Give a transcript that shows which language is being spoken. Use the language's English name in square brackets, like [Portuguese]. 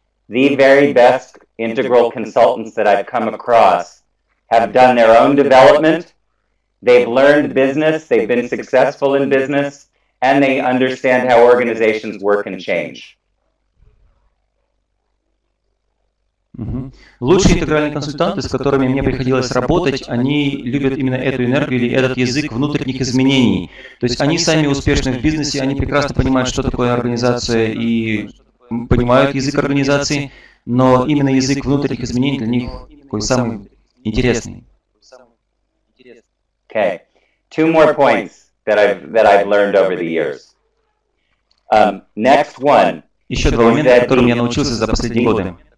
[English] The very best integral consultants that I've come across have done their own development, they've learned business, they've been successful in business, and they understand how organizations work and change. [Russian] Лучшие интегральные консультанты, с которыми мне приходилось работать, они любят именно эту энергию или этот язык внутренних изменений. То есть они сами успешны в бизнесе, они прекрасно понимают, что такое организация и понимают язык организации, но именно язык внутренних изменений для них какой самый интересный. [English] Okay. Two more points that I've learned over the years. Next one. [Russian] Еще два момента, которым я научился за последние годы.